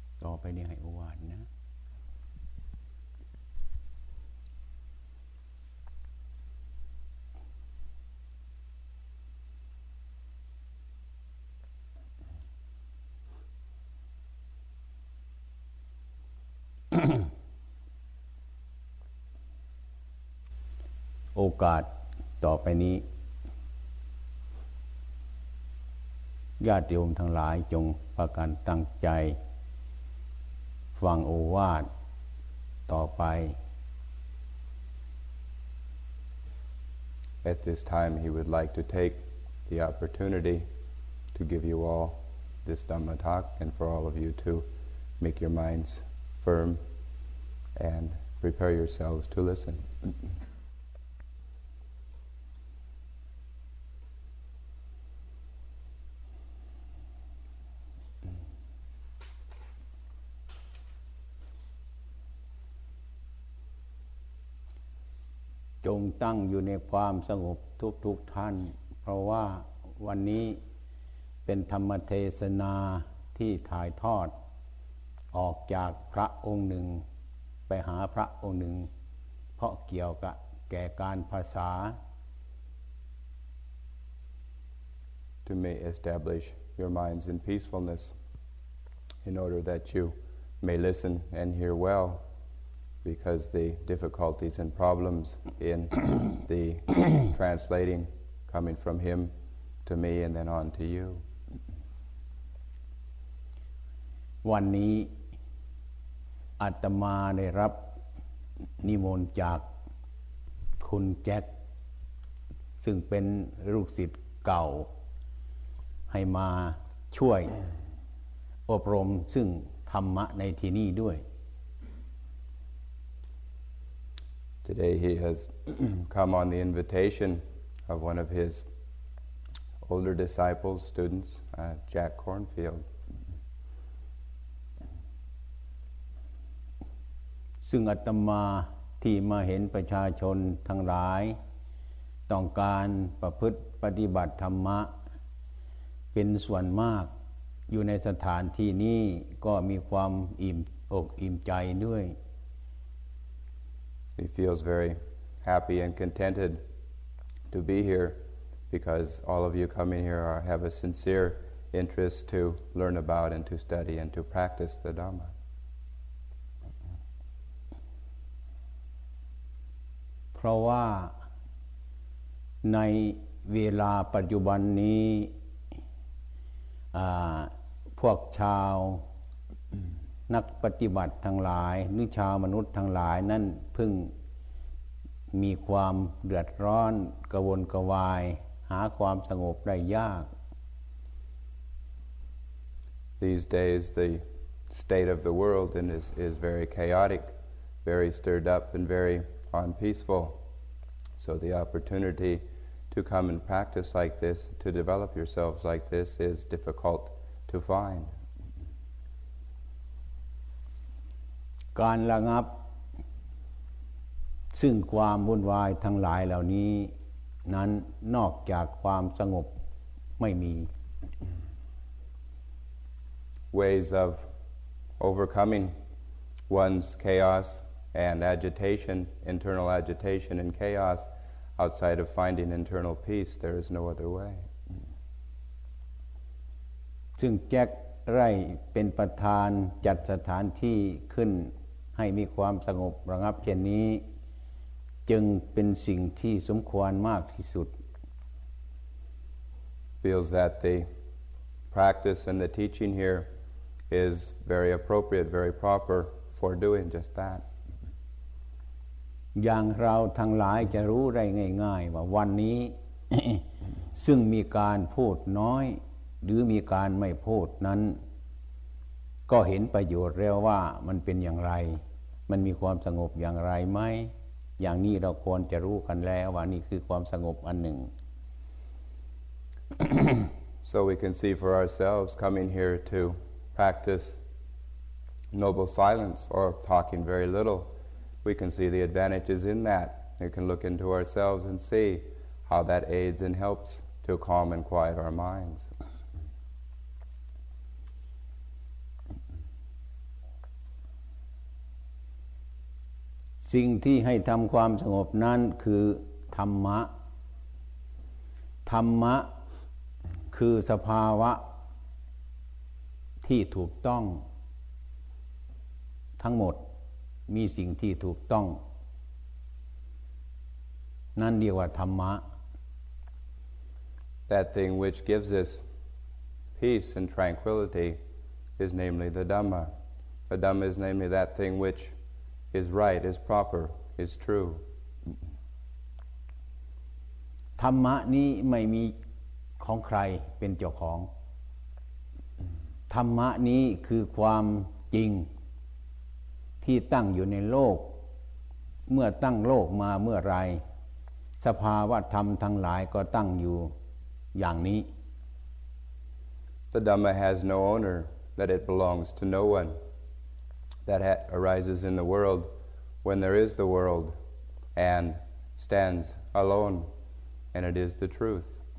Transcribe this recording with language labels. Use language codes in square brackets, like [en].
[th] อไปนี่ให้โอวาทนะโอกาสต่อไปนี้ ญาติโยมทั้งหลายจงประกันตั้งใจฟังโอวาทต่อไป [en] At this time he would like to take the opportunity to give you all this Dhamma talk and for all of you to make your minds firm and prepare yourselves to listen. [th] จงตั้งอยู่ในความสงบทุกท่านเพราะว่าวันนี้เป็นธรรมเทศนาที่ถ่ายทอดออกจากพระองค์หนึ่งไปหาพระองค์หนึ่งเพราะเกี่ยวกับแก่การภาษา [en] To may establish your minds in peacefulness in order that you may listen and hear wellBecause the difficulties and problems in the translating coming from him to me and then on to you. One day, [th] Atma ได้รับนิมนต์จากคุณแจ็คซึ่งเป็นลูกศิษย์เก่าให้มาช่วยอบรมซึ่งธรรมะในที่นี้ด้วย [en] Today he has come on the invitation of one of his older disciples, students, Jack Kornfield. [th] ซึ่งอาตมาที่มาเห็นประชาชนทั้งหลายต้องการประพฤติปฏิบัติธรรมะเป็นส่วนมากอยู่ในสถานที่นี้ก็มีความอิ่มอกอิ่มใจด้วย [en] He feels very happy and contented to be here because all of you coming here are, have a sincere interest to learn about and to study and to practice the Dhamma. [th] เพราะว่าในเวลาปัจจุบันนี้พวกชาวนักปฏิบัติทั้งหลายหรือชาวมนุษย์ทั้งหลายนั่นพึ่งมีความเดือดร้อนกระวนกระวายหาความสงบได้ยาก [en] These days the state of the world is very chaotic, very stirred up and very unpeaceful. So the opportunity to come and practice like this, to develop yourselves like this is difficult to find. [th] การระงับซึ่งความวุ่นวายทั้งหลายเหล่านี้นั้นนอกจากความสงบไม่มี [en] ways of overcoming one's chaos and agitation internal agitation and chaos outside of finding internal peace there is no other way [th] ซึ่งแจ็คไร่เป็นประธานจัดสถานที่ขึ้นให้มีความสงบระงับเช่นนี้จึงเป็นสิ่งที่สมควรมากที่สุด [en] feels that the practice and the teaching here is very appropriate very proper for doing just that [th] อย่างเราทั้งหลายจะรู้ได้ง่ายๆว่าวันนี้ ซึ่งมีการพูดน้อยหรือมีการไม่พูดนั้นก็เห็นประโยชน์แล้วว่ามันเป็นอย่างไรมันมีความสงบอย่างไรไหมอย่างนี้เราควรจะรู้กันแล้วว่านี่คือความสงบอันหนึ่ง [en] So we can see for ourselves coming here to practice noble silence or talking very little we can see the advantages in that we can look into ourselves and see how that aids and helps to calm and quiet our minds [th] สิ่งที่ให้ทำความสงบนั้นคือธรรมะธรรมะคือสภาวะที่ถูกต้องทั้งหมดมีสิ่งที่ถูกต้องนั่นเรียกว่าธรรมะ [en] That thing which gives us peace and tranquility is namely the Dhamma. The Dhamma is namely that thing which is right, is proper, is true. [th] ธรรมะนี้ไม่มีของใครเป็นเจ้าของธรรมะนี้คือความจริงที่ตั้งอยู่ในโลกเมื่อตั้งโลกมาเมื่อไรสภาวะธรรมทั้งหลายก็ตั้งอยู่อย่างนี้ [en] The Dhamma has no owner, that it belongs to no one. That arises in the world when there is the world and stands alone, and it is the truth.